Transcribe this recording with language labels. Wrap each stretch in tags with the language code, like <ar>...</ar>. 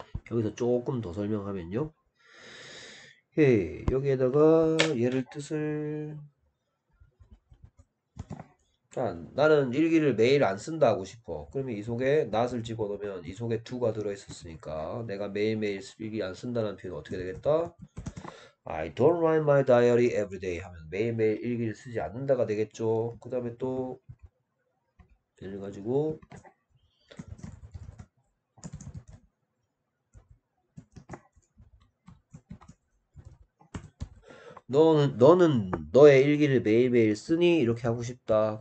<ko>여기서 조금 더 설명하면요. 여기에다가 얘를 뜻을 나는 일기를 매일 안 쓴다 하고 싶어. 그러면 이 속에 not을 집어넣으면 이 속에 to가 들어있었으니까 내가 매일매일 일기 안 쓴다는 표현 어떻게 되겠다?</ko> <en>I don't write my diary every day</en> <ko>하면 매일매일 일기를 쓰지 않는다가 되겠죠. 그 다음에 또 예를 가지고 너는 너의 일기를 매일매일 쓰니? 이렇게 하고 싶다.</ko>